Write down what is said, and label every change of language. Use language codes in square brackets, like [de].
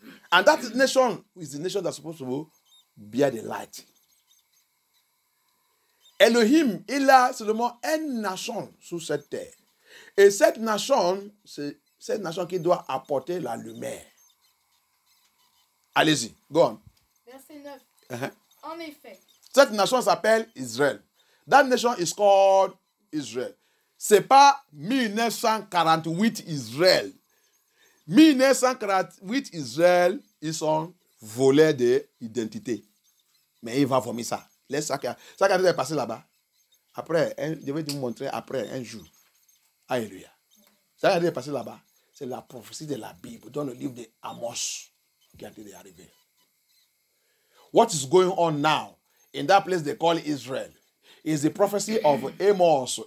[en] And that nation is the nation that's supposed to bear the light. [fr] Elohim, il a seulement une nation sur cette terre. Et cette nation, c'est cette nation qui doit apporter la lumière. Allez-y, [en] go on. [fr] Verset 9. Uh-huh. En effet. Cette nation s'appelle Israël. [en] That nation is called Israël. [fr] C'est pas 1948 Israël. 1948 Israël, ils sont volés d'identité. Mais il va vomir ça. Laisse ça. Ça va passer là-bas. Après, je vais te montrer après, un jour. Alléluia. Ça va passer là-bas. C'est la prophétie de la Bible dans le livre de Amos qui a été arrivé. [en] What is going on now in that place they call Israel is the prophecy of Amos.